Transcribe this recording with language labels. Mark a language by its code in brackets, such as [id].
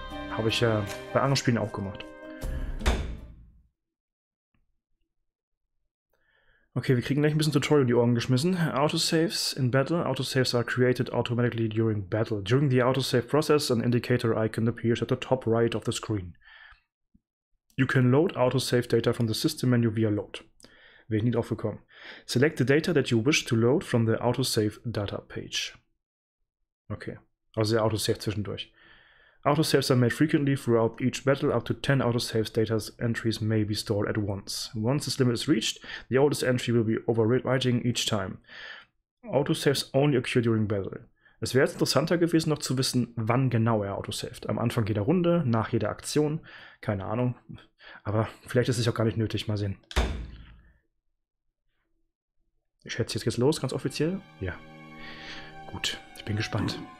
[de] Habe ich ja bei anderen Spielen auch gemacht. Okay, wir kriegen gleich ein bisschen Tutorial in die Ohren geschmissen. [en] Autosaves in Battle. Autosaves are created automatically during Battle. During the autosave process, an indicator icon appears at the top right of the screen. You can load autosave data from the system menu via load. [de] Wäre ich nie drauf gekommen. [en] Select the data that you wish to load from the autosave data page. [de] Okay, also der Autosave zwischendurch. [en] Autosaves are made frequently throughout each battle. Up to 10 autosaves data entries may be stored at once. Once this limit is reached, the oldest entry will be overwriting each time. Autosaves only occur during battle. [de] Es wäre jetzt interessanter gewesen, noch zu wissen, wann genau er autosaved. Am Anfang jeder Runde, nach jeder Aktion, keine Ahnung. Aber vielleicht ist es auch gar nicht nötig, mal sehen. Ich schätze, jetzt geht's los, ganz offiziell. Ja. Gut, ich bin gespannt.